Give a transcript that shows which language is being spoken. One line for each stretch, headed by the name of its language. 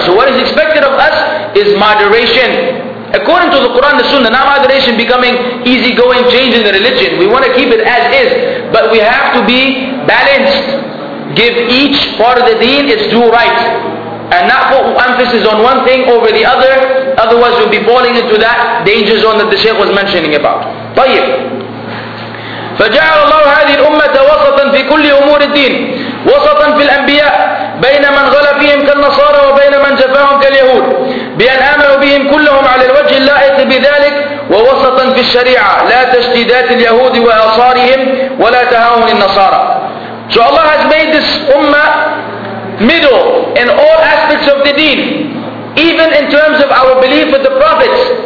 English: So what is expected of us is moderation. According to the Quran, the Sunnah, not moderation becoming easygoing, changing the religion. We want to keep it as is. But we have to be balanced. Give each part of the deen its due right. And not put emphasis on one thing over the other. Otherwise we'll be falling into that danger zone that the Shaykh was mentioning about.
Arabic: طيب. فجعل الله هذه الأمة وسطا في كل أمور الدين وسطا في الأنبياء بين من غلا فيهم كالنصارى وبين من جفاهم كاليهود بأن آمنوا بهم كلهم على الوجه اللائق بذلك ووسطا في الشريعة لا تشديدات اليهود وأصارهم ولا تهاون النصارى.
English: So Allah has made this ummah middle in all aspects of the deen, even in terms of our belief with the prophets.